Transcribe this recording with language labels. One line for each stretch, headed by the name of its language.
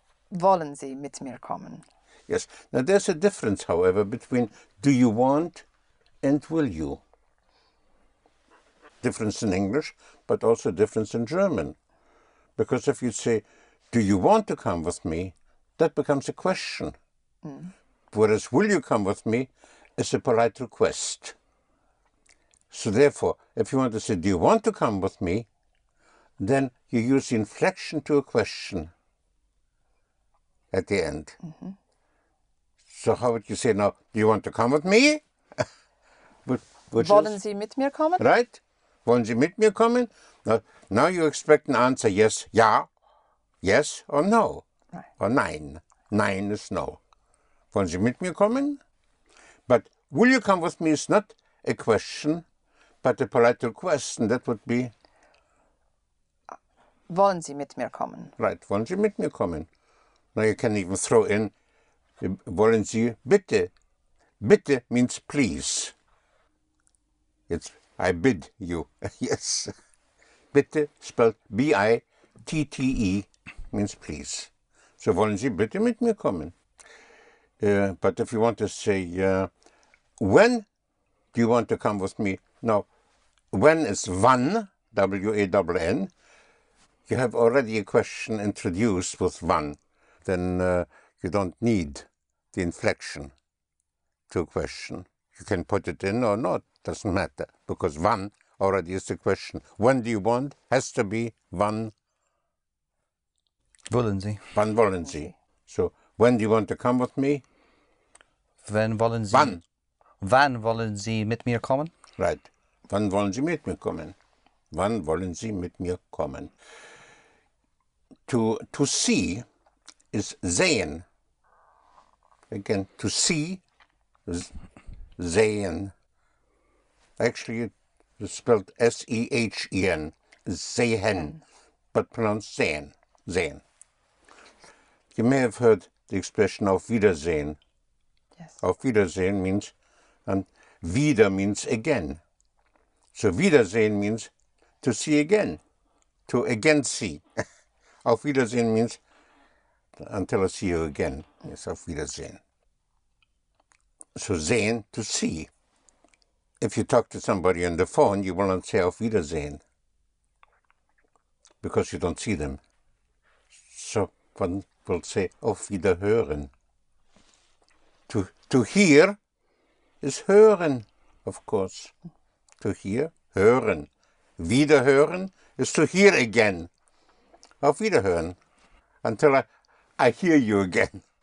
German: Wollen Sie mit mir kommen?
English: Yes. Now, there's a difference, however, between do you want and will you. Difference in English, but also difference in German. Because if you say, do you want to come with me, that becomes a question. Mm. Whereas, will you come with me is a polite request. So, therefore, if you want to say, do you want to come with me, then you use the inflection to a question at the end. Mm-hmm. So how would you say now, do you want to come with me?
German: Wollen Sie mit mir kommen?
English: Right.
German: Wollen Sie mit mir kommen?
English: Now you expect an answer, yes, ja, yes or no. Right. Or nein. Nein is no.
German: Wollen Sie mit mir kommen?
English: But will you come with me is not a question, but a polite request, and that would be?
German: Wollen Sie mit mir kommen?
English: Right.
German: Wollen Sie mit mir kommen?
English: Now you can even throw in,
German: wollen Sie bitte?
English: Bitte means please. It's I bid you. Yes. Bitte, spelled B-I-T-T-E, means please.
German: So wollen Sie bitte mit mir kommen?
English: But if you want to say, when do you want to come with me? Now, when is wann, W-A-N-N. You have already a question introduced with wann. Then you don't need the inflection to a question. You can put it in or not, doesn't matter, because wann already is the question. When do you want? Has to be wann.
German: Wollen Sie. Wann wollen Sie.
English: So, when do you want to come with me?
German: Wann wollen Sie. Wann. Wann wollen Sie mit mir kommen?
English: Right.
German: Wann wollen Sie mit mir kommen? Wann wollen Sie mit mir kommen?
English: To see is sehen. Again, to see, sehen. Actually, it's spelled S-E-H-E-N, sehen, but pronounced sehen, sehen. You may have heard the expression auf Wiedersehen. Yes. Auf Wiedersehen means, and wieder means again. So Wiedersehen means to see again, to again see. Auf Wiedersehen means until I see you again. Yes, auf Wiedersehen.
German: zu sehen,
English: to see. If you talk to somebody on the phone, you will not say auf Wiedersehen, because you don't see them. So one will say auf Wiederhören. To hear is hören, of course. To hear, hören. Wiederhören is to hear again. Auf Wiederhören. Until I hear you again.